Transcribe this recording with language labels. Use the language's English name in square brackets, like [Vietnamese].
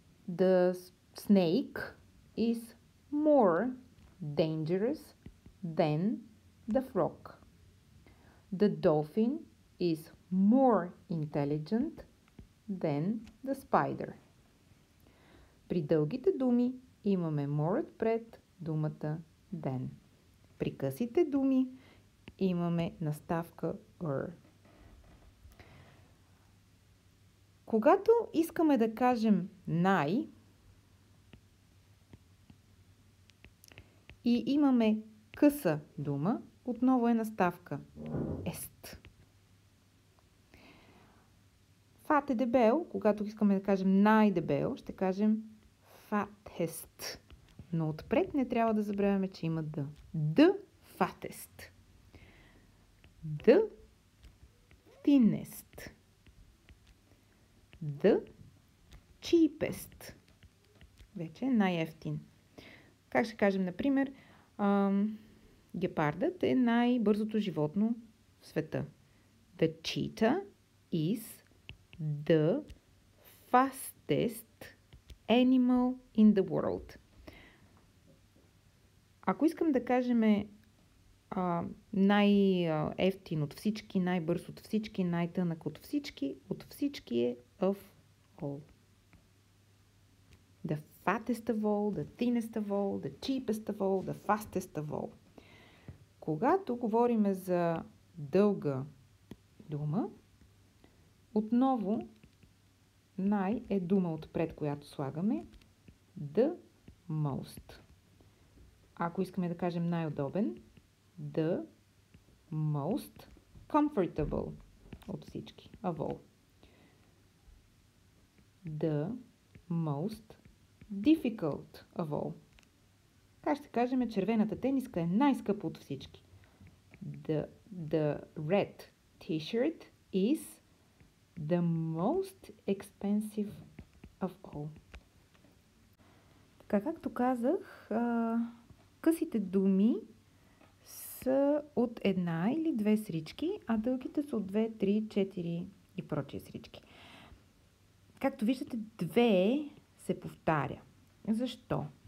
[English] The snake is more dangerous than the frog. The dolphin is more intelligent than the spider. [Bulgarian] При дългите думи имаме more отпред думата than. При късите думи имаме наставка er. Когато искаме да кажем най и имаме къса дума, отново е наставка est. Fat е дебел. Когато искаме да кажем най-дебел, ще кажем fattest. Но отпред не трябва да забравяме, че има the. [English] The fattest. The thinnest. The cheapest. [Bulgarian] Вече е най-евтин. Как ще кажем, например, гепардът е най-бързото животно в света. [English] The cheetah is the fastest animal in the world. [Bulgarian] Ако искам да кажем най-евтин от всички, най-бърз от всички, най-тънък от всички е of all. [English] The fattest of all, the thinnest of all, the cheapest of all, the fastest of all. [Bulgarian] Когато говорим за дълга дума, отново най е дума отпред, която слагаме. [English] The most. [Bulgarian] Ако искаме да кажем най-удобен, [English] the most comfortable [Bulgarian] от всички. [English] Of all. The most difficult of all. [Bulgarian] Как ще кажем, червената тениска е най-скъпа от всички. [English] The red t-shirt is the most expensive of all. [Bulgarian] Така, както казах, късите думи са от една или две срички, а дългите са от две, три, четири и прочие срички. Както виждате, две се повтаря. Защо?